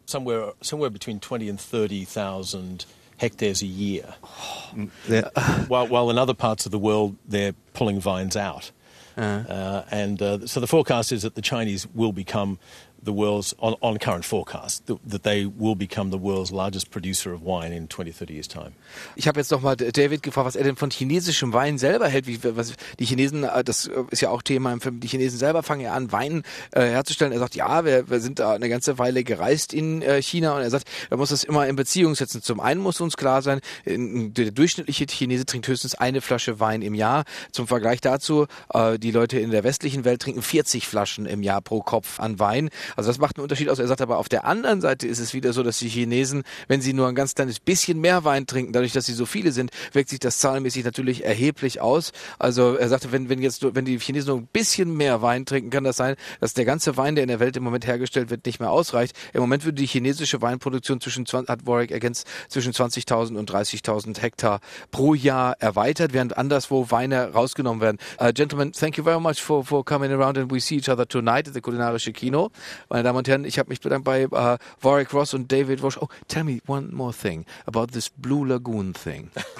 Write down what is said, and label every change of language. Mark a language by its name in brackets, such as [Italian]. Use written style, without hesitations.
[English] Somewhere between 20 and 30,000 hectares a year. Oh, while in other parts of the world, they're pulling vines out. So the forecast is that the Chinese will become the world's, on current forecast, that they will become the world's largest producer of wine in 20, 30 years' time. [German] Ich habe jetzt noch mal David gefragt, was er denn von chinesischem Wein selber hält. Was die Chinesen, das ist ja auch Thema im Film, die Chinesen selber fangen ja an, Wein herzustellen. Er sagt, ja, wir sind da eine ganze Weile gereist in China, und er sagt, man muss das immer in Beziehung setzen. Zum einen muss uns klar sein, der durchschnittliche Chinese trinkt höchstens eine Flasche Wein im Jahr. Zum Vergleich dazu, die Leute in der westlichen Welt trinken 40 Flaschen im Jahr pro Kopf an Wein. Also das macht einen Unterschied aus. Er sagt aber, auf der anderen Seite ist es wieder so, dass die Chinesen, wenn sie nur ein ganz kleines bisschen mehr Wein trinken, dadurch, dass sie so viele sind, wirkt sich das zahlenmäßig natürlich erheblich aus. Also er sagte, wenn die Chinesen nur ein bisschen mehr Wein trinken, kann das sein, dass der ganze Wein, der in der Welt im Moment hergestellt wird, nicht mehr ausreicht. Im Moment würde die chinesische Weinproduktion zwischen 20.000 und 30.000 Hektar pro Jahr erweitert, während anderswo Weine rausgenommen werden. [English] Gentlemen, thank you very much for coming around, and we see each other tonight at the Kulinarische Kino. [German] Meine Damen und Herren, ich habe mich bedankt bei Warwick Ross und David Walsh. [English] Oh, tell me one more thing about this Blue Lagoon thing.